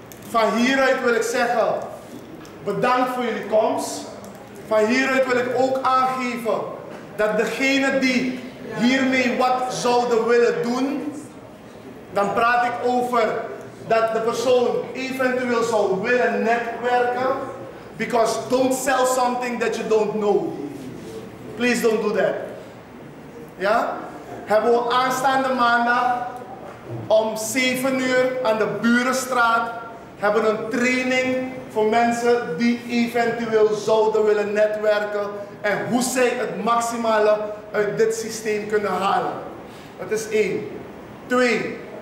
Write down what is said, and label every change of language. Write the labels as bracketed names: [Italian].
[Dutch] Van hieruit wil ik zeggen, bedankt voor jullie komst. Van hieruit wil ik ook aangeven dat degene die hiermee wat zouden willen doen, dan praat ik over dat de persoon eventueel zou willen netwerken. [English] Because don't sell something that you don't know. Please don't do that. Ja? [Dutch] Hebben we aanstaande maandag om 7 uur aan de Burenstraat hebben een training voor mensen die eventueel zouden willen netwerken en hoe zij het maximale uit dit systeem kunnen halen. Dat is 1. 2.